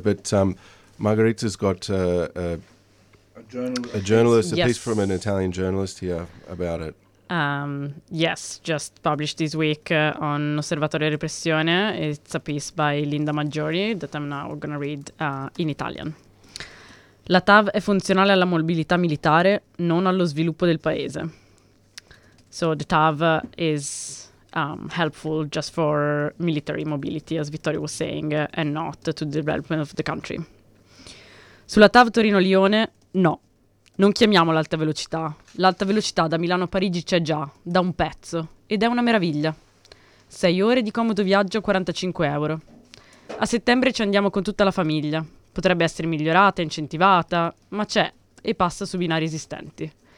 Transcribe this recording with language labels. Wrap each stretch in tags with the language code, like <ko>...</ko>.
<en>But Margherita's got a journalist, yes. A piece from an Italian journalist here about it. Yes, just published this week on Osservatorio Repressione. It's a piece by Linda Maggiori that I'm now going to read in Italian.</en> <it>La TAV è funzionale alla mobilità militare, non allo sviluppo del paese.</it> <en>So the TAV is helpful just for military mobility, as Vittorio was saying, and not to the development of the country.</en> <it>Sulla TAV Torino-Lione, no. Non chiamiamo l'alta velocità. L'alta velocità da Milano a Parigi c'è già, da un pezzo, ed è una meraviglia. 6 ore di comodo viaggio, 45 euro. A settembre ci andiamo con tutta la famiglia. Potrebbe essere migliorata, incentivata, ma c'è e passa su binari esistenti.</it>